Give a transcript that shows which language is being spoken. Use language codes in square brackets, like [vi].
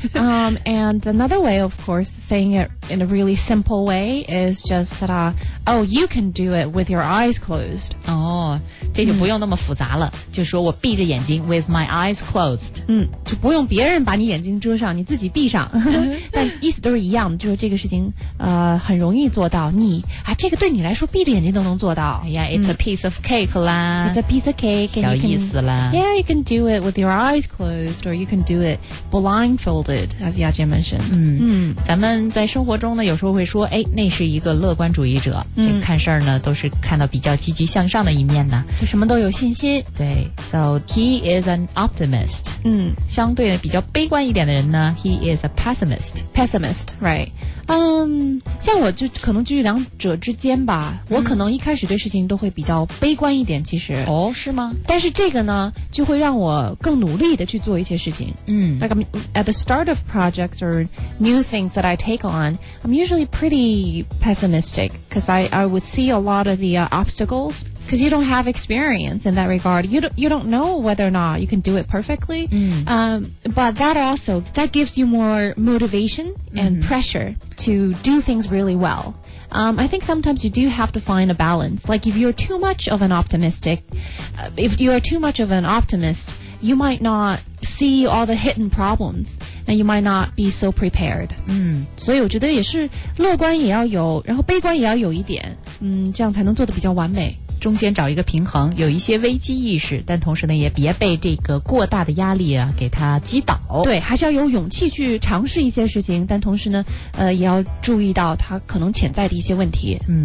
[en] And another way, of course, saying it in a really simple way is just that, oh, you can do it with your eyes closed. [zh] 哦，这就不用那么复杂了，就说我闭着眼睛 [en] with my eyes closed. [zh] 嗯，就不用别人把你眼睛遮上，你自己闭上。但意思都是一样的，就是这个事情很容易做到，你啊，这个对你来说闭着眼睛都能做到。 [en] 哎呀 ，it's a piece of cake 啦，it's a piece of cake， [zh] 小意思啦。 [en] Yeah, you can do it with your eyes closed, or you can do it blindfolded, as Yajie mentioned. [zh] 嗯，咱们在生活中呢，有时候会说，哎，那是一个乐观主义者，看事儿呢都是看到比较积极向上的一面呢，就什么都有信心。 [en] 对 ，so he is an optimist. 嗯， [zh] 相对的比较悲观一点的人呢 ， [en] he is a pessimist. Pessimist, right. [zh] 像我就可能居于两者之间吧。我可能一开始对事情都会比较悲观一点，其实。哦，是吗？但是这个呢，就会让我更努力的去做一些事情。嗯。 [en] Like, I'm, at the start of projects or new things that I take on, I'm usually pretty pessimistic, because I would see a lot of the, obstacles. Because you don't have experience in that regard. You don't know whether or not you can do it perfectly. But that also, that gives you more motivation and pressure to do things really well. I think sometimes you do have to find a balance. Like if you're too much of an optimistic, if you are too much of an optimist, you might not see all the hidden problems. And you might not be so prepared. [zh] 所以我觉得也是乐观也要有，然后悲观也要有一点，这样才能做得比较完美。中间找一个平衡，有一些危机意识，但同时呢也别被这个过大的压力啊给它击倒。对，还是要有勇气去尝试一些事情，但同时呢也要注意到它可能潜在的一些问题。